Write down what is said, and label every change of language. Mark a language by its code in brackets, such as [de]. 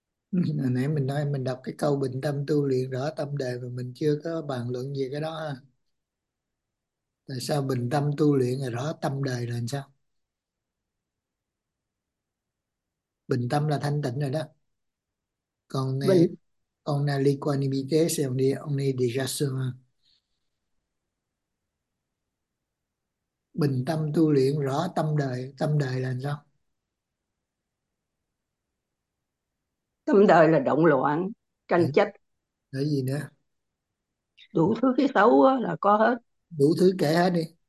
[vi] Nãy mình nói mình đọc cái câu bình tâm tu luyện rõ tâm đề mà mình chưa có bàn luận gì cái đó. Tại sao bình tâm tu luyện là rõ tâm đề là làm sao? Bình tâm là thanh tịnh rồi đó. Còn nè, Vậy [fr] on a l'équanimité, c'est on est déjà sûr. [vi] Bình tâm tu luyện rõ tâm đời là làm sao? tâm đời là động loạn, tranh chấp, để gì nữa, đủ thứ cái xấu đó là có đủ thứ kể hết đi,